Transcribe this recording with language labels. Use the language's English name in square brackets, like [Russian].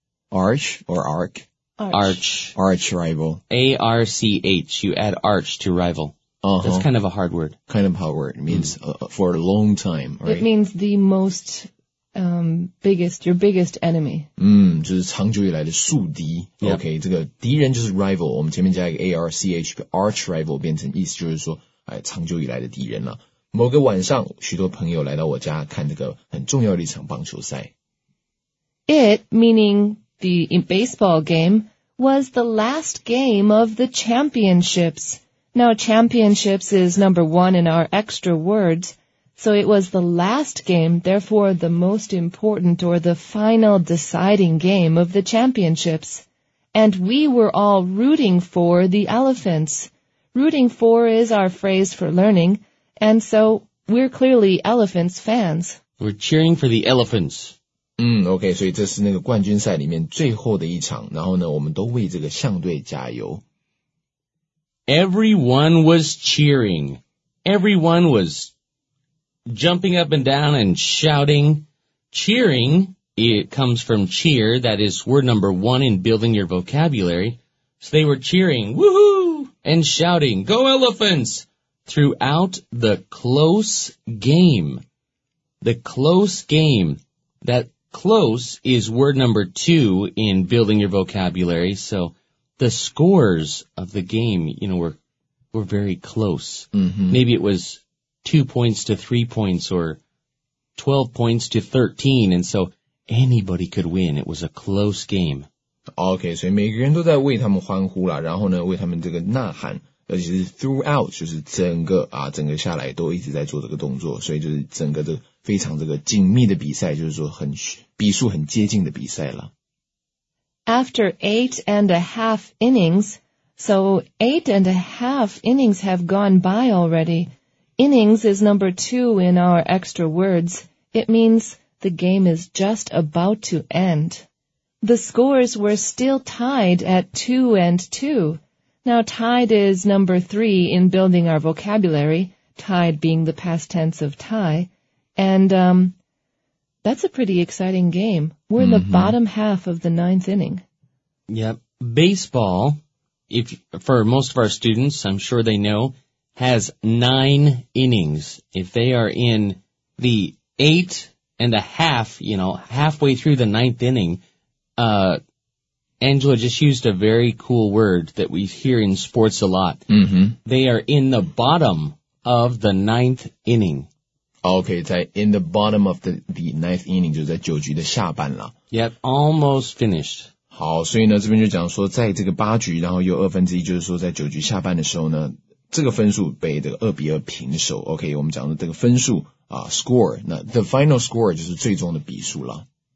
[English] Arch or arc? Arch. Arch rival. A-R-C-H, you add arch to rival. That's kind of a hard word. Kind of a hard word. It means for a long time, right? It means the most, biggest, your biggest enemy. [Chinese] 就是长久以来的宿敌。Yep. Okay, 这个敌人就是 rival. 我们前面加一个 A-R-C-H, arch rival 变成意思就是说长久以来的敌人了。某个晚上，许多朋友来到我家看这个很重要的一场棒球赛。 [English] It, meaning the baseball game, was the last game of the championships. Now, championships is number one in our extra words, So it was the last game, therefore the most important or the final deciding game of the championships. And we were all rooting for the elephants. Rooting for is our phrase for learning, and so we're clearly elephants fans. We're cheering for the elephants. [Chinese] OK, 所以这是那个冠军赛里面最后的一场，然后呢，我们都为这个象队加油。 [English] Everyone was cheering. Everyone was jumping up and down and shouting. Cheering, it comes from cheer, that is word number one in building your vocabulary. So they were cheering, woohoo, and shouting, go elephants, throughout the close game. The close game. That close is word number two in building your vocabulary, so... The scores of the game, you know, were very close. Mm-hmm. Maybe it was 2 points to 3 points or 12 points to 13. And so anybody could win. It was a close game. [Chinese] Okay, 所以每个人都在为他们欢呼啦，然后呢，为他们这个呐喊，而且是 throughout, 就是整个啊，整个下来都一直在做这个动作。所以就是整个的非常这个紧密的比赛，就是说很比数很接近的比赛啦。 [English] After 8.5 innings, so 8.5 innings have gone by already. Innings is number 2 in our extra words. It means the game is just about to end. The scores were still tied at 2-2. Now, tied is number 3 in building our vocabulary, tied being the past tense of tie. And, that's a pretty exciting game. We're in the bottom half of the ninth inning. Yep. Baseball, for most of our students, I'm sure they know, has 9 innings. If they are in the 8.5, you know, halfway through the ninth inning, Angela just used a very cool word that we hear in sports a lot. They are in the bottom of the ninth inning. [Chinese] Okay, 在 [English] in the bottom of the ninth inning, [Chinese] 就在九局的下半了。 [English] Yep, almost finished. [Chinese] 好，所以呢，这边就讲说，在这个八局，然后又二分之一，就是说在九局下半的时候呢，这个分数被这个2-2平手。 OK， 我们讲的这个分数啊 ，score， 那 [English] the final score [Chinese] 就是最终的比数了。